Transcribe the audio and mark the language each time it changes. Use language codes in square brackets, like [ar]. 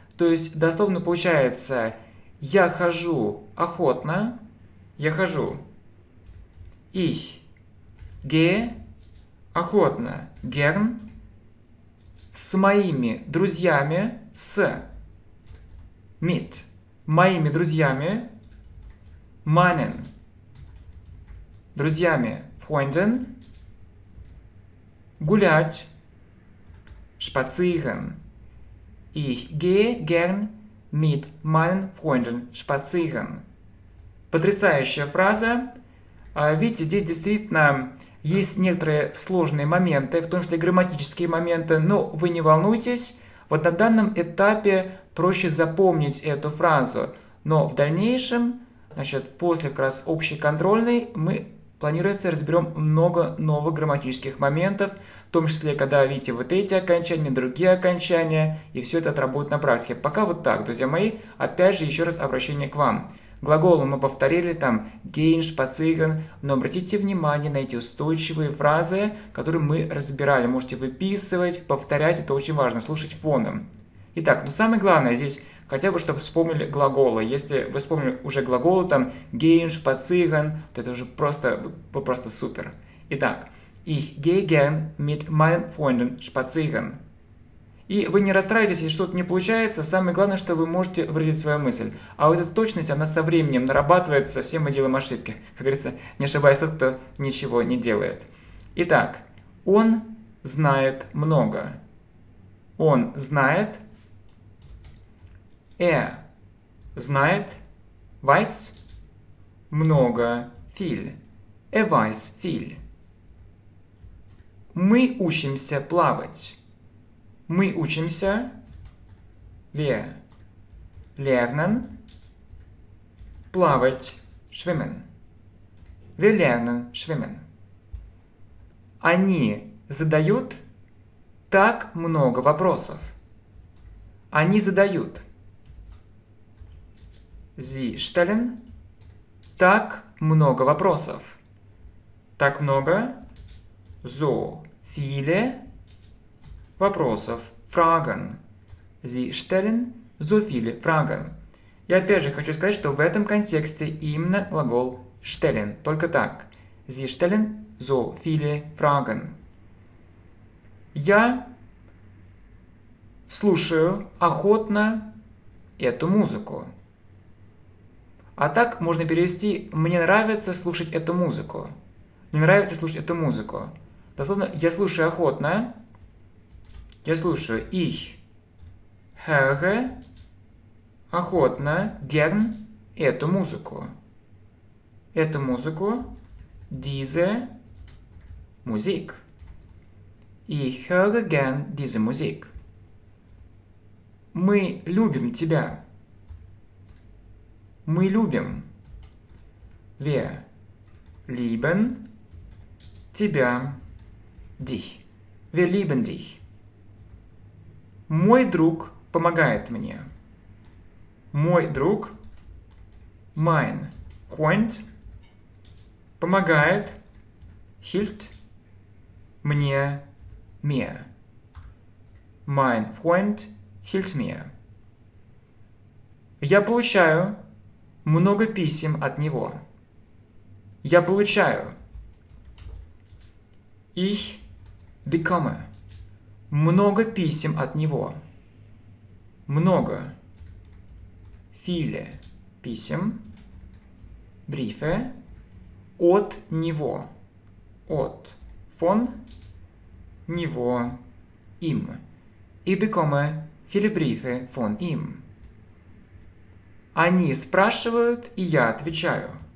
[ru] То есть, дословно получается «я хожу охотно», «я хожу», [de] «ich gehe [ru] охотно», [de] «gern», [ru] «с моими друзьями», «с», [de] «mit», [ru] моими друзьями, [de] meinen, [ru] друзьями, [de] freunden, [ru] гулять, [de] spazieren. Ich gehe gern mit meinen Freunden spazieren. [ru] Потрясающая фраза. Видите, здесь действительно есть некоторые сложные моменты, в том числе грамматические моменты, но вы не волнуйтесь. Вот на данном этапе проще запомнить эту фразу, но в дальнейшем, значит, после как раз общей контрольной, мы планируется разберем много новых грамматических моментов, в том числе, когда видите вот эти окончания, другие окончания, и все это отработать на практике. Пока вот так, друзья мои, опять же, еще раз обращение к вам. Глаголы мы повторили, там, gehen, spazieren, но обратите внимание на эти устойчивые фразы, которые мы разбирали. Можете выписывать, повторять, это очень важно, слушать фоном. Итак, самое главное здесь, хотя бы, чтобы вспомнили глаголы. Если вы вспомнили уже глаголы, там, gehen, spazieren, то это уже просто, вы просто супер. [de] Итак, ich gehe gern mit meinen Freunden spazieren. [ru] И вы не расстраивайтесь, если что-то не получается. Самое главное, что вы можете выразить свою мысль. А вот эта точность, она со временем нарабатывается, все мы делаем ошибки. Как говорится, не ошибается тот, кто ничего не делает. Итак, он знает много. Он знает. [de] Er [ru] знает. [de] Weiß. [ru] Много. [de] Viel. Er weiß viel. [ru] Мы учимся плавать. Мы учимся. [de] Wir lernen [ru] плавать. [de] Schwimmen. Wir lernen schwimmen. [ru] Они задают так много вопросов. Они задают. [de] Sie stellen [ru] так много вопросов. Так много. [de] So viele [ru] вопросов, фраган. [de] Sie stellen so viele fragen. [ru] И опять же хочу сказать, что в этом контексте именно глагол stellen. Только так. [de] Sie stellen so viele fragen. [ru] Я слушаю охотно эту музыку. А так можно перевести «мне нравится слушать эту музыку». «Мне нравится слушать эту музыку». Дословно «я слушаю охотно». Я слушаю [de] ich höre [ru] охотно, [de] gern [ru] эту музыку. Эту музыку, [de] diese Musik. Ich höre gern diese Musik. [ru] Мы любим тебя. Мы любим. [de] Wir lieben [ru] тебя. [de] Dich. Wir lieben dich. [ru] Мой друг помогает мне. Мой друг, [de] mein Freund, [ru] помогает, [de] hilft [ru] мне, [de] mir. Mein Freund hilft mir. [ru] Я получаю много писем от него. Я получаю. [de] Ich bekomme. [ru] Много писем от него. Много. [de] Viele [ru] писем. Брифе. От него. От. [de] Von. [ru] Него. Им. [de] И bekomme viele Briefe von ihm. [ru] Они спрашивают, и я отвечаю.